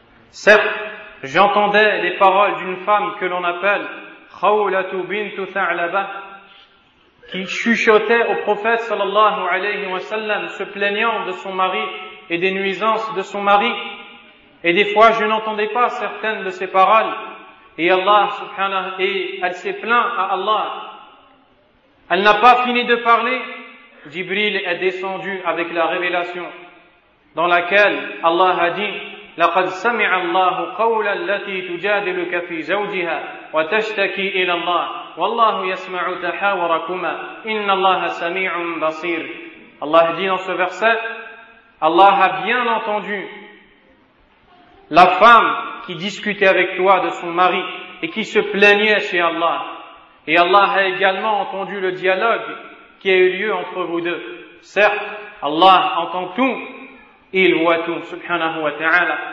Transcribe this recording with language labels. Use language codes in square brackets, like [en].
[fr] Certes, j'entendais les paroles d'une femme que l'on appelle Khawlatu bintu Tha'laba, qui chuchotait au prophète sallallahu alayhi wa sallam, se plaignant de son mari et des nuisances de son mari. Et des fois, je n'entendais pas certaines de ses paroles. Et Allah subhanahu, et elle s'est plaint à Allah. Elle n'a pas fini de parler. Jibril est descendu avec la révélation dans laquelle Allah a dit, [ar] لقد سمع الله قول التي تجادلك في زوجها وتشتكي الى الله والله يسمع تحاوركما ان الله سميع بصير. [fr] Allah dit dans ce verset, Allah a bien entendu la femme qui discutait avec toi de son mari et qui se plaignait chez Allah, et Allah a également entendu le dialogue qui a eu lieu entre vous deux. Certes, Allah entend tout. Il voit tout, subhanahu wa ta'ala.